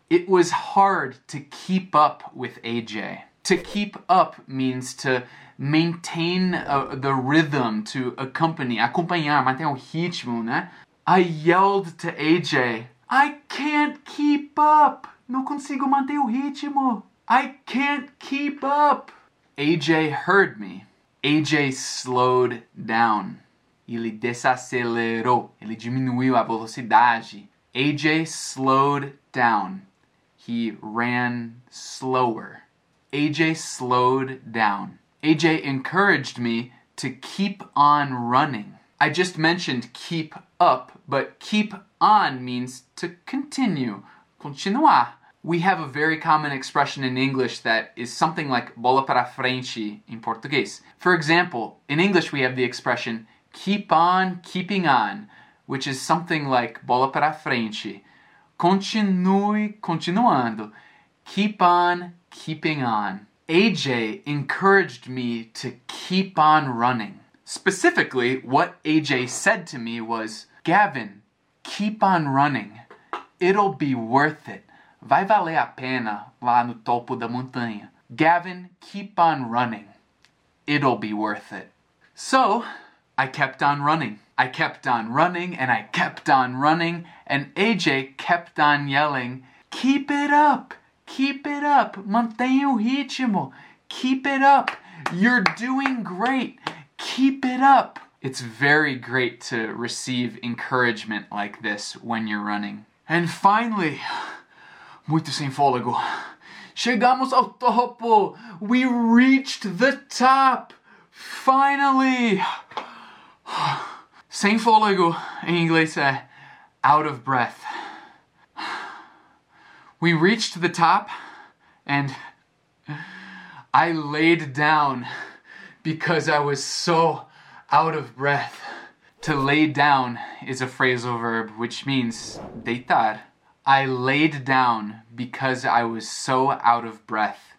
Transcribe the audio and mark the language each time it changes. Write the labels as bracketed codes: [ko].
[en] It was hard to keep up with AJ. To keep up means to maintain the rhythm, to accompany, [pt] acompanhar, manter o ritmo, né? [en] I yelled to AJ, I can't keep up! [pt] Não consigo manter o ritmo! [en] I can't keep up! AJ heard me. AJ slowed down. [pt] Ele desacelerou. Ele diminuiu a velocidade. [en] AJ slowed down. He ran slower. AJ slowed down. AJ encouraged me to keep on running. I just mentioned keep up, but keep on means to continue, continuar. We have a very common expression in English that is something like [pt] bola para frente [en] in Portuguese. For example, in English we have the expression keep on keeping on, which is something like [pt] bola para frente. Continue continuando. [en] Keep on keeping on. AJ encouraged me to keep on running. Specifically, what AJ said to me was, Gavin, keep on running. It'll be worth it. [pt] Vai valer a pena lá no topo da montanha. [en] Gavin, keep on running. It'll be worth it. So, I kept on running. I kept on running and I kept on running. And AJ kept on yelling, keep it up. Keep it up. [pt] Mantenha o ritmo. [en] Keep it up. You're doing great. Keep it up. It's very great to receive encouragement like this when you're running. And finally, [pt] muito sem fôlego, chegamos ao topo! [en] We reached the top! Finally! [pt] Sem fôlego, em inglês é [en] out of breath. We reached the top and I laid down because I was so out of breath. To lay down is a phrasal verb, which means deitar. I laid down because I was so out of breath.